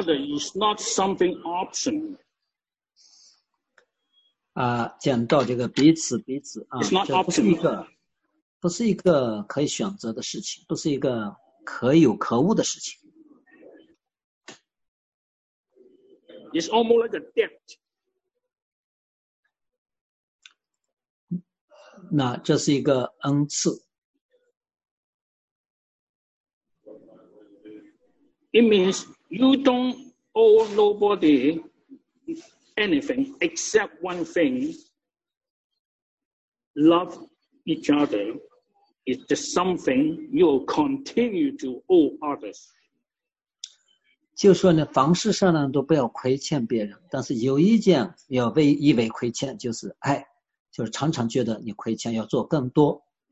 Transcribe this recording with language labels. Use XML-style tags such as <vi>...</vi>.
<en>Loving each other is not something optional.</en> <zh>啊，讲到这个彼此彼此啊，</zh> <en>it's not optional.</en> <zh>这不是一个，不是一个可以选择的事情，不是一个可有可无的事情。</zh> <en>It's almost like a debt.</en> <zh>那这是一个恩赐。</zh> <en>It means you don't owe nobody anything except one thing. Love each other is just something you will continue to owe others.</en> <zh>就说呢，凡事上呢都不要亏欠别人，但是有一件要为以为亏欠，就是爱，就是常常觉得你亏欠，要做更多。</zh>